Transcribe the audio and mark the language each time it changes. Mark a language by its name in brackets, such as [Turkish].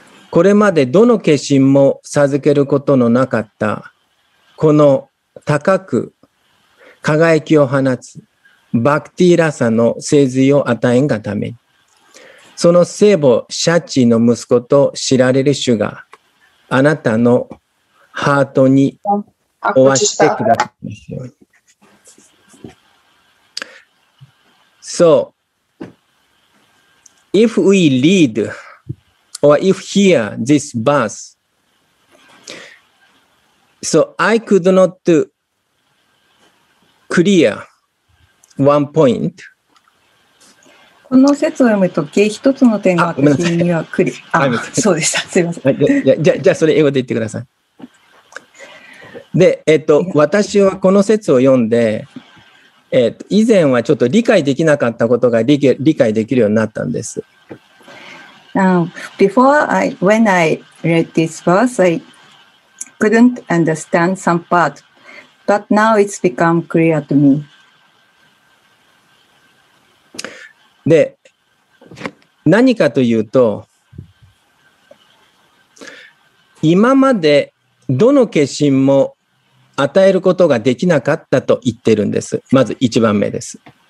[Japanese] これまでどの化身も授けることのなかったこの高く輝きを放つバクティラサの聖髄を与えんがために、その聖母シャチの息子と知られる主があなたのハートにおわしてくださいますように。 [English] So if we read or if hear this verse, so I could not clearOne point. [Japanese] この説を読むとき、一つの点が私にはクリア。あ、そうでした。すみません。じゃあそれ英語で言ってください。で、私はこの説を読んで、以前はちょっと理解できなかったことが理解できるようになったんです。 [English] When I read this verse, I couldn't understand some part, but now it's become clear to me. [Japanese] で、何かというと、今までどの化身も与えることができなかったと言ってるんです。まず一番目です。